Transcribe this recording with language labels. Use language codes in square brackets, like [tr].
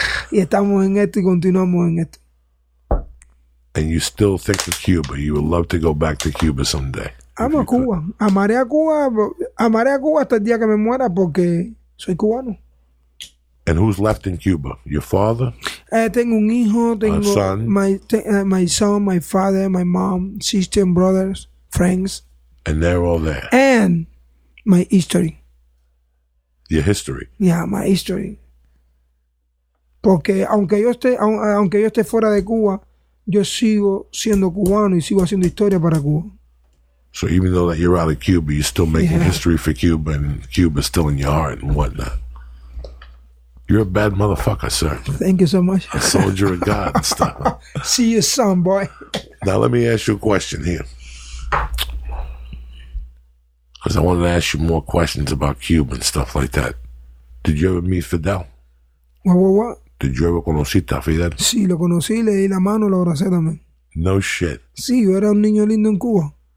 [es] Y estamos en esto y continuamos en esto. [en] And you still think of Cuba. You would love to go back to Cuba someday. [es] Amo a Cuba. Amaré a Cuba. Amaré a Cuba hasta el día que me muera porque soy cubano. [en] And who's left in Cuba? Your father? [es] Tengo un hijo. Tengo [en] a son? My son, my father, my mom, sister and brothers, friends. And they're all there. And my history. Your history? Yeah, my history. [es] Porque aunque yo esté fuera de Cuba, yo sigo siendo cubano y sigo haciendo historia para Cuba. [en] So even though that you're out of Cuba, you're still making yeah. history for Cuba, and Cuba's still in your heart and whatnot. You're a bad motherfucker, sir. Thank you so much. A soldier of God and stuff. See you soon, boy. Now let me ask you a question here. Because I wanted to ask you more questions about Cuba and stuff like that. Did you ever meet Fidel? What? Did you ever [es] conociste a [en] Fidel? [es] Sí, lo conocí, le di la mano, lo abracé también. [en] No shit. [es] Sí, yo era un niño lindo en Cuba.